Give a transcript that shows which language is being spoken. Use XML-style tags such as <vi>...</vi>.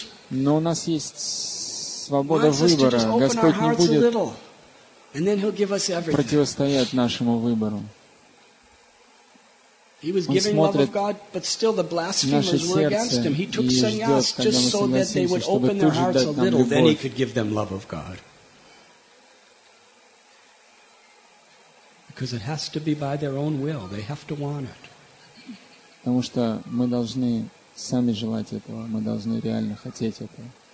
<ru>Но у нас есть свобода выбора. Господь не будет противостоять нашему выбору.</ru> <en>He was giving love of God, but still the blasphemers were against him. He took sannyas just so that they would open their hearts a little, then he could give them love of God. Because it has to be by their own will. They have to want it.</en> <ru>Потому что мы должны сами желать этого, мы должны реально хотеть этого.</ru>